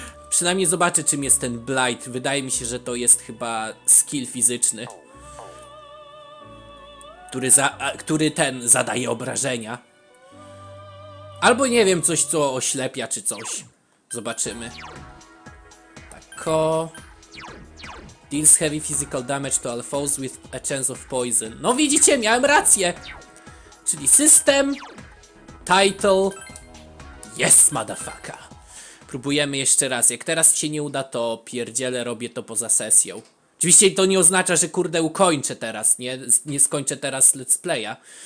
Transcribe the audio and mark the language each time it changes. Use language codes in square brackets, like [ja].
[pl] Przynajmniej zobaczę, czym jest ten Blight. Wydaje mi się, że to jest chyba skill fizyczny. Który zadaje obrażenia. Albo nie wiem, coś co oślepia czy coś. Zobaczymy. Tako... [en] Deals heavy physical damage to all foes with a chance of poison. [pl] No widzicie, miałem rację! Czyli system... Title. [en] Yes, motherfucker. [pl] Próbujemy jeszcze raz. Jak teraz się nie uda, to pierdzielę, robię to poza sesją. Oczywiście to nie oznacza, że kurde ukończę teraz, nie? Nie skończę teraz let's playa.